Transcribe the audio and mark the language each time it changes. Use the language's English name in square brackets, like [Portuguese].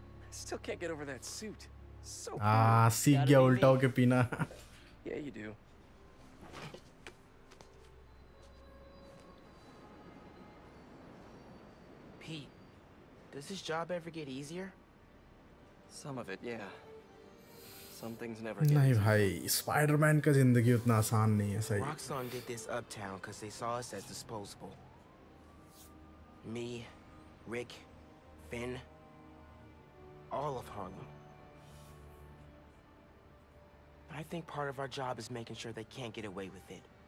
[English] Still can't get over that suit. So [Hindi] सीख गया उल्टा होके पीना. [English] Yeah, you do. Pete, does this job ever get easier? Some of it, yeah. Some things never. [Hindi] नहीं भाई, Spider-Man का जिंदगी उतना आसान नहीं है सही. [English] Roxxon did this uptown because they saw us as disposable. Me, Rick, Finn. All of Harlem. But I think part of our job is making sure they can't get away with it.